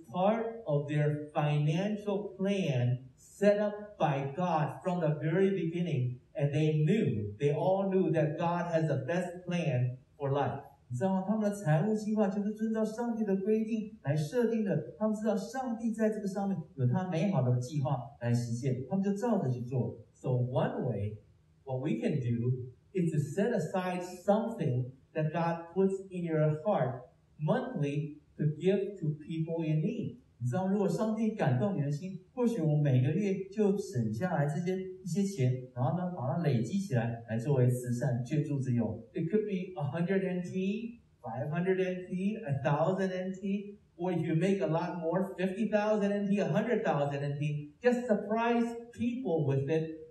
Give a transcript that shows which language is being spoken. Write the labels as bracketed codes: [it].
[en] part of their financial plan set up by God from the very beginning, and they all knew that God has the best plan for life. [zh] 你知道吗？他们的财务计划就是遵照上帝的规定来设定的。他们知道上帝在这个上面有他美好的计划来实现，他们就照着去做。 [en] So one way, what we can do is to set aside something that God puts in your heart monthly to give to people in need. [zh] 你知道，如果上帝感动你的心，或许我每个月就省下来这些钱，然后呢，把它累积起来，来作为慈善捐助之用。 [en] It could be 100 NT. 500 NT, 1,000 NT, or if you make a lot more, 50,000 NT, 100,000 NT, just surprise people with it.